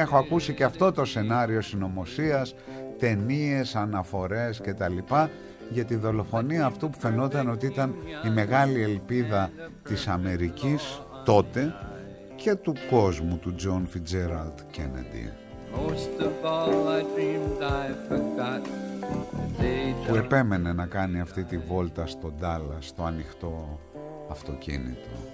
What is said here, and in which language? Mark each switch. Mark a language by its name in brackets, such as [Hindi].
[Greek] Έχω ακούσει και αυτό το σενάριο συνωμοσίας, ταινίες, αναφορές κτλ. Για τη δολοφονία αυτού που φαινόταν ότι ήταν η μεγάλη ελπίδα της Αμερικής τότε και του κόσμου, του Τζον Φιτζέραλντ Κένεντι. [English] Most of all I dreamed I forgot. [Greek] Που επέμενε να κάνει αυτή τη βόλτα στο Ντάλλα, στο ανοιχτό αυτοκίνητο.